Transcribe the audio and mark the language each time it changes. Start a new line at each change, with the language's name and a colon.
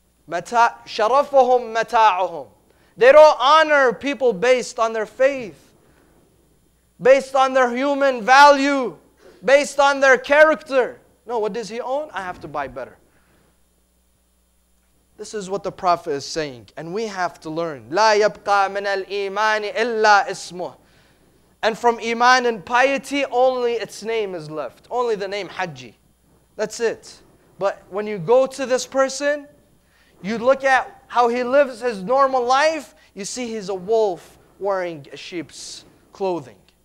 Arabic: شَرَفُهُمْ مَتَاعُهُمْ
English: They don't honor people based on their faith, based on their human value, based on their character. No, what does he own? I have to buy better. This is what the Prophet is saying, and we have to learn.
Arabic: لا يبقى من الإيمان إلا اسمه.
English: And from Iman and piety, only its name is left. Only the name Hajji. That's it. But when you go to this person, you look at how he lives his normal life, you see he's a wolf wearing a sheep's clothing.